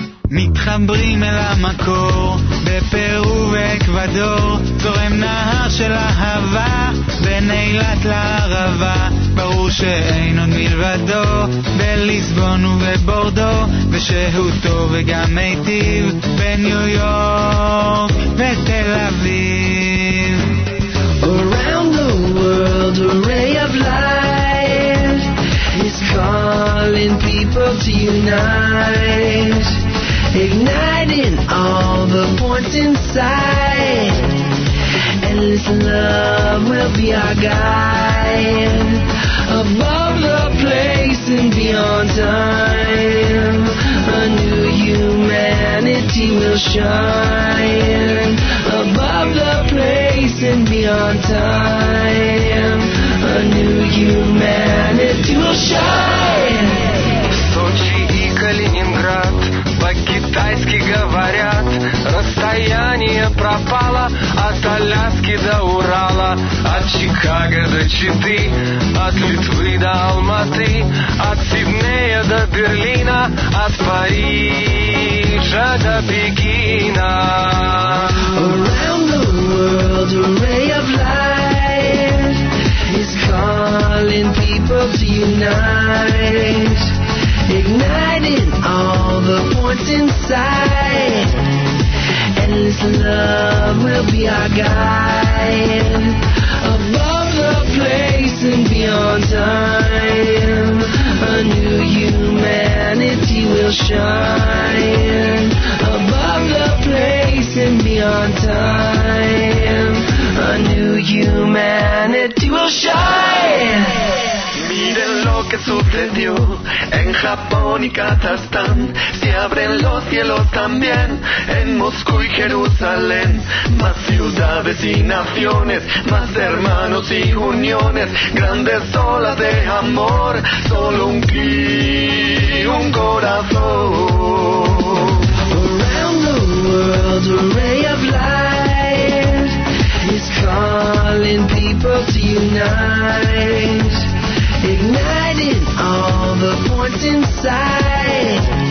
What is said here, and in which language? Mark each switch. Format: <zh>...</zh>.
<he>מתחברים אל המקור בפרו ואקוודור, זורם נהר של אהבה בין אילת לערבה, ברור שאין עוד מלבדו בליסבון ובבורדו, ושהוא טוב וגם מיטיב בניו יורק ותל אביב.</he> <en>Around the world a ray of light is calling people to unite, igniting all the points inside. Endless love will be our guide above the place and beyond time. A new humanity will shine above the place and beyond time. A new humanity will shine.</en> <ru>Sochi и Калининград по-китайски говорят, расстояние пропало от Аляски до Урала, от Чикаго до Читы, от Литвы до Алматы, от Сиднея до Берлина, от Парижа до Пекина.</ru> <en>Around the world a ray of light is calling people to unite, igniting all the points inside. Endless love will be our guide above the place and beyond time. A new humanity will shine above the place and beyond time. A new humanity will shine.</en> <es>Miren lo que sucedió en Japón y Kazajstán, se abren los cielos también en Moscú y Jerusalén, más ciudades y naciones, más hermanos y uniones, grandes olas de amor, solo un ki un corazón.</es> <en>Around the world a ray of light is calling people to unite, igniting all the points inside.</en>